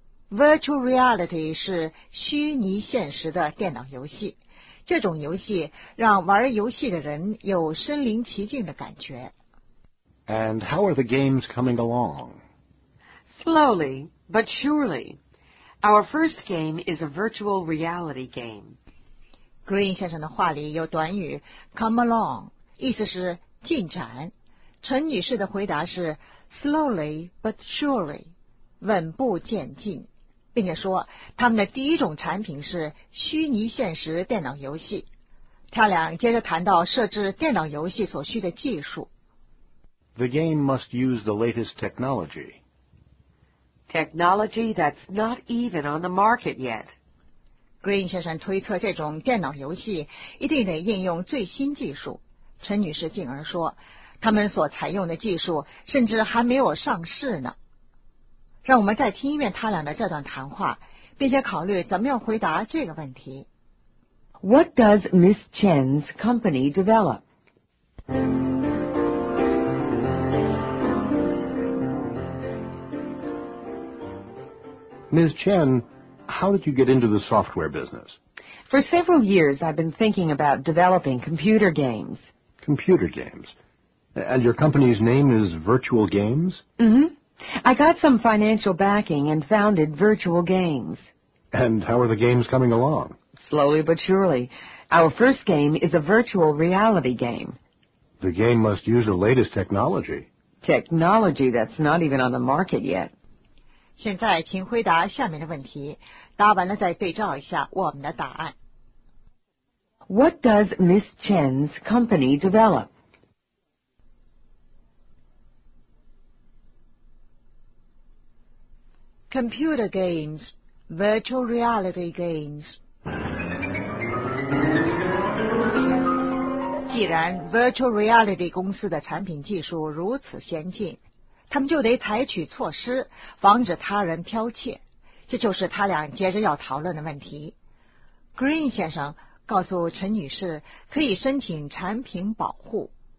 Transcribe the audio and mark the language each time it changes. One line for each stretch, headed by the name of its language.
Chinese: Virtual reality 是虚拟现实的电脑游戏，这种游戏让玩游戏的人有身临其境的感觉。
English: And how are the games coming along? Slowly, but surely. Our first game is a virtual reality game.
Chinese: Green 先生的话里有短语 come along, 意思是进展。陈女士的回答是
English: slowly, but surely,
Chinese: 稳步渐进。并且说他们的第一种产品是虚拟现实电脑游戏。他俩接着谈到设置电脑游戏所需的技术。
English: The game must use the latest technology. Technology that's not even on the market yet.
Chinese: Green 先生推测这种电脑游戏一定得应用最新技术。陈女士进而说，他们所采用的技术甚至还没有上市呢。让我们再听一遍他俩的这段谈话，并且考虑怎么样回答这个问题。
English: What does Ms. Chen's company develop? Ms. Chen, how did you get into the software business? For several years, I've been thinking about developing computer games. Computer games? And your company's name is Virtual Games? Mm-hmm. I got some financial backing and founded Virtual Games. And how are the games coming along? Slowly but surely. Our first game is a virtual reality game. The game must use the latest technology. Technology that's not even on the market yet.
Chinese: 现在请回答下面的问题，答完了再对照一下我们的答案。
English: What does Ms. Chen's company develop? Computer games, virtual reality games.
Chinese: 既然 virtual reality 公司的产品技术如此先进，他们就得采取措施防止他人剽窃，这就是他俩接着要讨论的问题。 Green 先生告诉陈女士可以申请产品保护。